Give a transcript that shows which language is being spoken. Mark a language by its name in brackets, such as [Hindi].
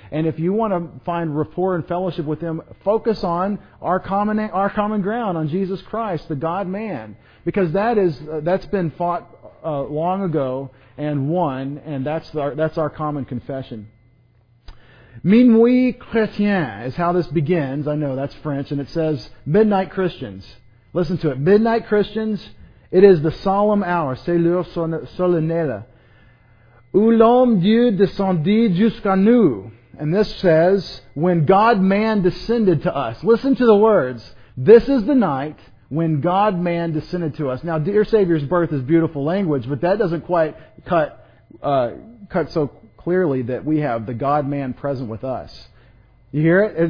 [English] And if you want to find rapport and fellowship with them, focus on our common ground, on Jesus Christ, the God-man. Because that's been fought long ago and won, and that's our common confession. Minuit chrétien is how this begins. I know, that's French, and it says, Midnight Christians. Listen to it. Midnight Christians. It is the solemn hour, [French] c'est l'heure solennelle, où l'homme Dieu descendit jusqu'à nous. [English] And this says, when God-man descended to us. Listen to the words. This is the night when God-man descended to us. Now, dear Savior's birth is beautiful language, but that doesn't quite cut so clearly that we have the God-man present with us. You hear it?